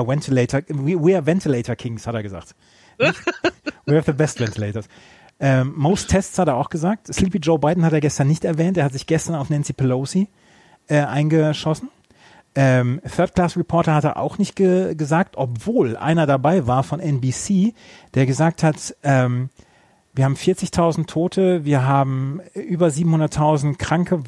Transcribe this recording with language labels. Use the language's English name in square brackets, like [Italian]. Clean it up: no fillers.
[English] We are Ventilator Kings, [German] hat er gesagt. [English] We have the best ventilators. Most Tests [German] hat er auch gesagt. Sleepy Joe Biden hat er gestern nicht erwähnt. Er hat sich gestern auf Nancy Pelosi eingeschossen. [English] Third Class Reporter [German] hat er auch nicht gesagt, obwohl einer dabei war von NBC, der gesagt hat, wir haben 40.000 Tote, wir haben über 700.000 Kranke.